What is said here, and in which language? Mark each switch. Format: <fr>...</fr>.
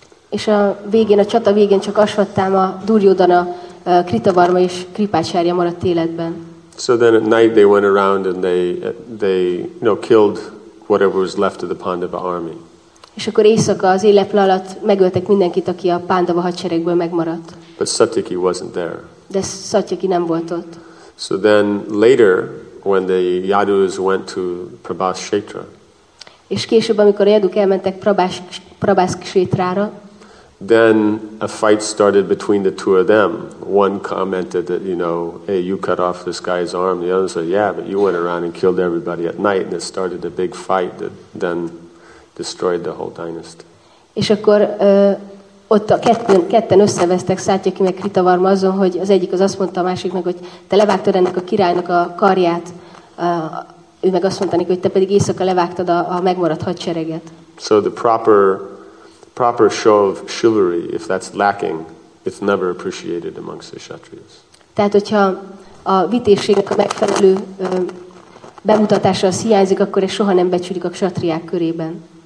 <hu>És a végén, a csata végén csak Ashwatthama, Duryodhana, Krita Varma és Kripacharya maradt életben.</hu> <en>So then at night they went around and they you know killed whatever was left of the Pandava army.</en> <hu>És akkor éjszaka az éleple alatt megöltek mindenkit, aki a Pándava hadseregből megmaradt.</hu> <en>But Satyaki wasn't there.</en> <hu>De Satyaki nem volt ott.</hu> <en>So then later, when the Yadus went to Prabhas Kshetra,</en> <hu>és később, amikor a Yaduk elmentek Prabhas Kshetrára,</hu> <en>then a fight started between the two of them. One commented that, you know, hey, you cut off this guy's arm. The other said, yeah, but you went around and killed everybody at night. And it started a big fight that then destroyed the whole dynasty.</en> <hu>És akkor ott a ketten összevesztek Satyaki meg Krita Varma azon, hogy az egyik az azt mondta a másik meg, hogy te levágtad ennek a királynak a karját, ő meg azt mondta neki, hogy te pedig éjszaka levágtad a megmaradt hadsereget.</hu> <en>So the proper show of chivalry, if that's lacking, it's never appreciated amongst the Kshatriyas.</en> <hu>Tehát, hogyha a vitézségnek a megfelelő bemutatása az hiányzik, akkor ez soha nem becsülik a Kshatriyák körében.</hu>